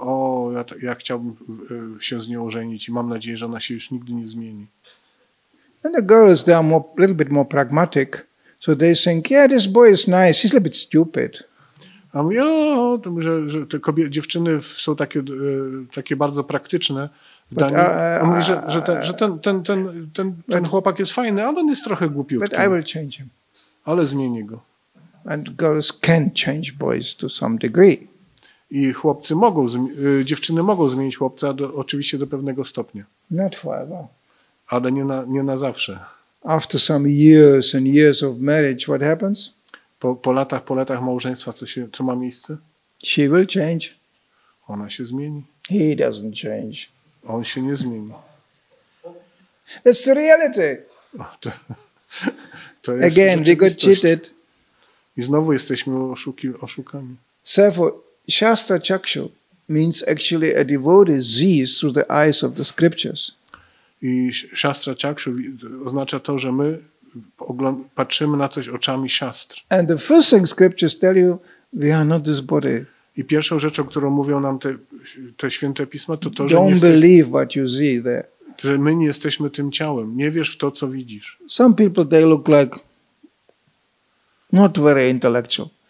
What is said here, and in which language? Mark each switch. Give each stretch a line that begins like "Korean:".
Polish: O, ja chciałbym się z nią ożenić i mam nadzieję, że ona się już nigdy nie zmieni.
English: And the girls, they are a little bit more pragmatic. So they think, yeah, this boy is nice, he's a little bit stupid.
Polish: A mówię, że te dziewczyny są takie bardzo praktyczne w Danii. A mówię, że ten chłopak jest fajny, ale on jest trochę głupiutki.
English: But I will change him.
Polish: Ale zmieni go.
English: And girls can change boys to some degree.
Polish: I chłopcy mogą, dziewczyny mogą zmienić chłopca, oczywiście do pewnego stopnia.
English: Not forever.
Polish: Ale nie na zawsze.
English: After some years and years of marriage, what happens?
Polish: Po latach małżeństwa, co ma miejsce?
English: She will change.
Polish: Ona się zmieni.
English: He doesn't change.
Polish: On się nie zmieni.
English: That's the reality.
Polish: To jest
English: again, we got cheated.
Polish: I znowu jesteśmy oszukami.
English: Sefo, Shastra Chakshu means actually a devotee sees through the eyes of the scriptures.
Polish: I Shastra Chakshu oznacza to, że my patrzymy na coś oczami szastr.
English: And the first thing scriptures tell you, we are not this body.
Polish: I pierwszą rzeczą, którą mówią nam te święte pisma, to że
English: don't believe what you see there.
Polish: Że my nie jesteśmy tym ciałem. Nie wierz w to, co widzisz.
English: Some people, they look like not very intellectual.